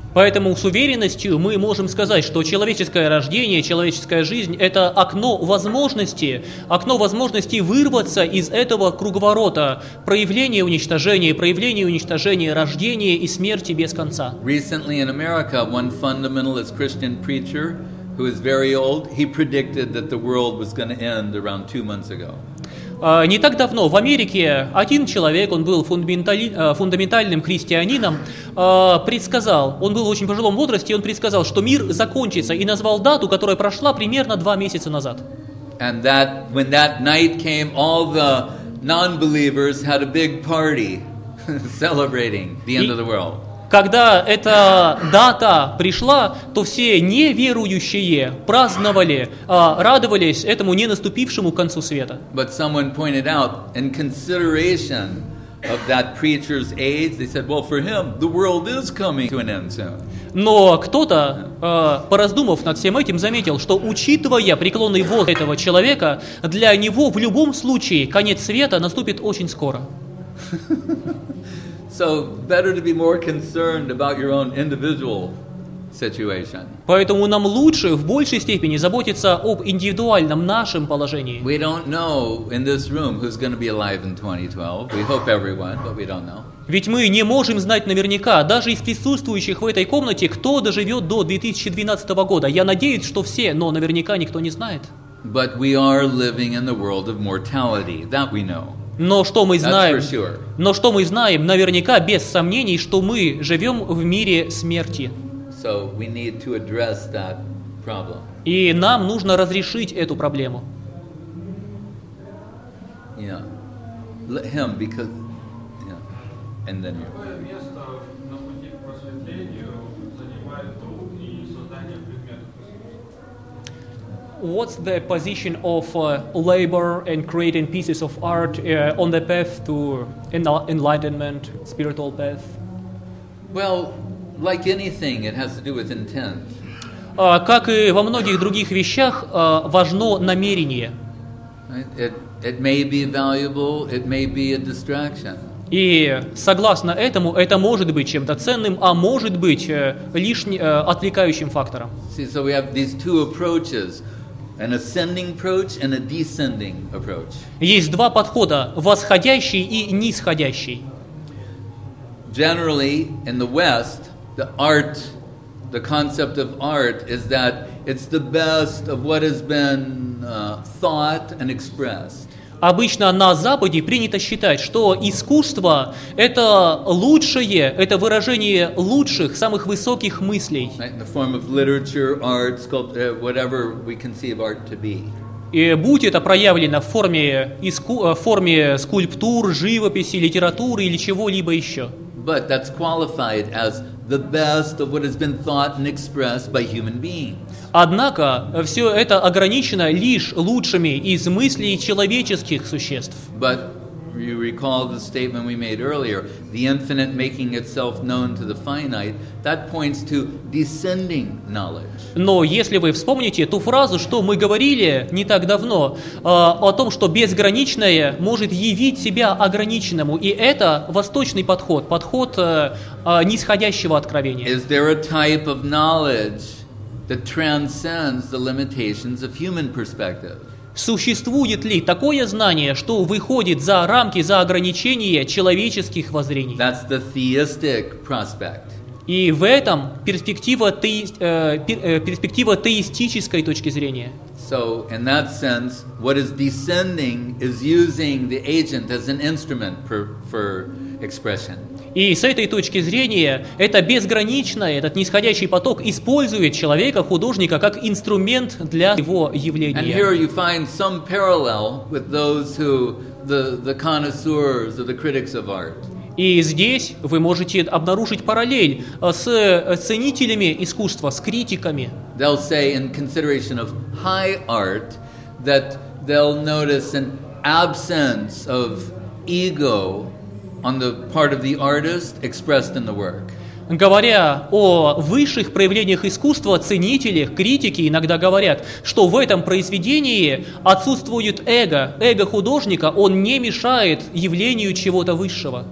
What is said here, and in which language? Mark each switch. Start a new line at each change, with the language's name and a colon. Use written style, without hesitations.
Russian: Поэтому с уверенностью мы можем сказать, что человеческое рождение, человеческая жизнь — это окно возможности вырваться из этого круговорота проявления и уничтожения, рождения и смерти без конца.
English: Recently in America, one fundamentalist Christian preacher, who is very old, he predicted that the world was going to end around 2 months ago.
Russian: Не так давно в Америке один человек, он был фундаментальным христианином, предсказал, он был в очень пожилом возрасте, и он предсказал, что мир закончится, и назвал дату, которая прошла примерно 2 месяца назад.
English: And that, when that night came, all the non-believers had a big party celebrating the end of the world.
Russian: Когда эта дата пришла, то все неверующие праздновали, радовались этому не наступившему концу света.
English: But someone pointed out, in consideration of that preacher's age, they said, well, for him, the world is coming to an end soon.
Russian: Но кто-то, пораздумав над всем этим, заметил, что, учитывая преклонный возраст этого человека, для него в любом случае конец света наступит очень скоро.
English: So better to be more concerned about your own individual situation.
Russian: Поэтому нам лучше в большей степени заботиться об индивидуальном нашем положении.
English: We don't know in this room who's going to be alive in 2012. We hope everyone, but we don't know.
Russian: Ведь мы не можем знать наверняка, даже из присутствующих в этой комнате, кто доживет до 2012 года. Я надеюсь, что все, но наверняка никто не знает.
English: But we are living in the world of mortality. That we know.
Russian: Но что мы знаем,
English: That's for sure.
Russian: Но что мы знаем, наверняка, без сомнений, что мы живем в мире смерти.
English: So we need to address that problem.
Russian: И нам нужно разрешить эту проблему.
English: Yeah. Let him, because... Yeah. And then you...
Russian: Какое место на пути к просветлению занимает ум и создание
English: What's the position of labor and creating pieces of art on the path to enlightenment, spiritual path? Well, like anything, it has to do with intent.
Russian: Как и во многих других вещах, важно намерение.
English: It may be valuable, it may be a distraction.
Russian: И согласно этому, это может быть чем-то ценным, а может быть лишним отвлекающим фактором.
English: See, so we have these two approaches. An ascending approach and a descending approach.
Russian: Есть два подхода: восходящий и нисходящий.
English: Generally, in the West, the art, the concept of art, is that it's the best of what has been thought and expressed.
Russian: Обычно на Западе принято считать, что искусство — это лучшее, это выражение лучших, самых высоких мыслей.
English: Right, in the form of literature, art, sculpture, whatever we conceive art to be.
Russian: И будь это проявлено в форме, форме скульптур, живописи, литературы или чего-либо еще.
English: But that's qualified as the best of what has been thought and expressed by human beings.
Russian: Однако все это ограничено лишь лучшими из мыслей человеческих существ.
English: But you recall the statement we made earlier, the infinite making itself known to the finite, that points to descending knowledge.
Russian: Но если вы вспомните ту фразу, что мы говорили не так давно, о том, что безграничное может явить себя ограниченному, и это восточный подход, подход нисходящего откровения.
English: Is there a type of knowledge that transcends the limitations of human perspective?
Russian: Существует ли такое знание, что выходит за рамки, за ограничения человеческих воззрений?
English: That's the theistic prospect.
Russian: И в этом перспектива, перспектива теистической точки зрения.
English: So, in that sense, what is descending is using the agent as an instrument for expression.
Russian: И с этой точки зрения, это безграничное, этот нисходящий поток использует человека, художника, как инструмент для его явления.
English: And here you find some parallel with those who, the connoisseurs or the critics of art.
Russian: И здесь вы можете обнаружить параллель с ценителями искусства, с критиками.
English: They'll say in consideration of high art that they'll notice an absence of ego on the part of the artist expressed in the work.
Russian: Говоря о высших проявлениях искусства, ценители, критики иногда говорят, что в этом произведении отсутствует эго, эго художника, он не мешает явлению чего-то высшего.